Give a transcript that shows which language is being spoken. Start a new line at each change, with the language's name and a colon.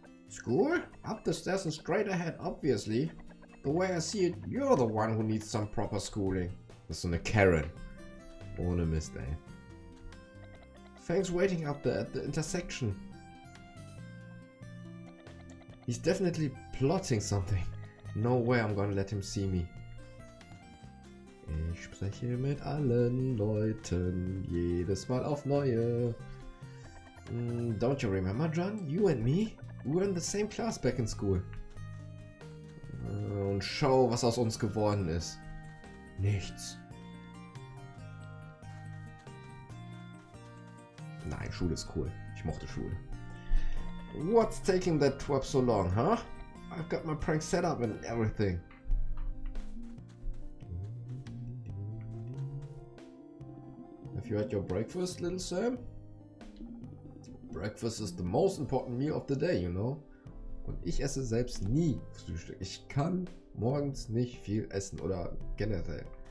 English: School? Up the stairs and straight ahead, obviously. The way I see it, you're the one who needs some proper schooling.
German: Das ist so eine Karen. Ohne Mist, ey.
English: Thanks waiting up there at the intersection. He's definitely plotting something. No way I'm gonna let him see me.
German: Ich spreche mit allen Leuten jedes Mal auf neue.
English: Don't you remember, John? You and me? We were in the same class back in school.
German: Und schau, was aus uns geworden ist. Nichts. Nein, Schule ist cool. Ich mochte Schule.
English: What's taking that twerp so long, huh? I've got my prank set up and everything. Have you had your breakfast, little Sam? Breakfast is the most important meal of the day, you know?
German: Und ich esse selbst nie Frühstück. Ich kann morgens nicht viel essen oder generell.